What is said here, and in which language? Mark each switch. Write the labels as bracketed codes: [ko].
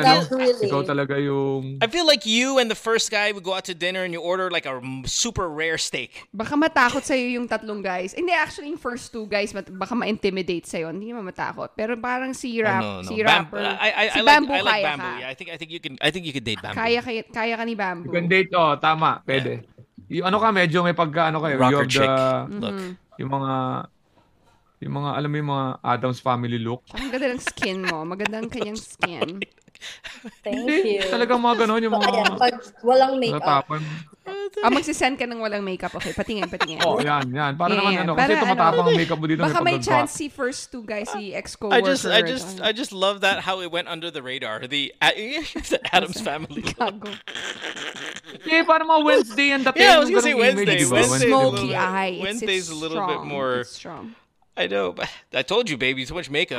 [en] I feel like you and the first guy would go out to dinner and you order like a super rare steak. [tl] Baka matakot sa'yo yung tatlong guys. Hindi, actually, yung [en] first two guys, [tl] baka ma-intimidate sa'yo. Hindi naman matakot. Pero parang si Rap, si Rapper. [en] Bamboo, [tl] kaya ka. [en] I like Bamboo. Yeah, I think you can date Bamboo. [tl] Kaya ka ni Bamboo. [en] You can date, oh, [tl] tama, pwede. [en] Yeah. [tl] Yung ano ka, medyo may pagka, ano kayo. [en] Rocker chick. Look. [tl] Yung mga, alam mo yung mga Adam's Family look. Ang ganda ng skin mo. Maganda ang kanyang skin. [en] Thank you. [tl] Talagang mga ganon yung mga... Pag walang makeup. Magsisend ka ng walang makeup. Okay, patingin. Oh, yan. Para yeah, naman ano. Para kasi tumatapang ang makeup mo dito. Baka may chance si first two guys, si ex-coworker. [en] I just love that how it went under the radar. The Adam's Family look. Yeah, [tl] parang mga [en] Wednesday and the thing. Yeah, I was gonna say Wednesday. Wednesday. Smoky eye. Wednesday's it's a little strong. Bit more... It's strong. I know, but I told you, baby, too much makeup.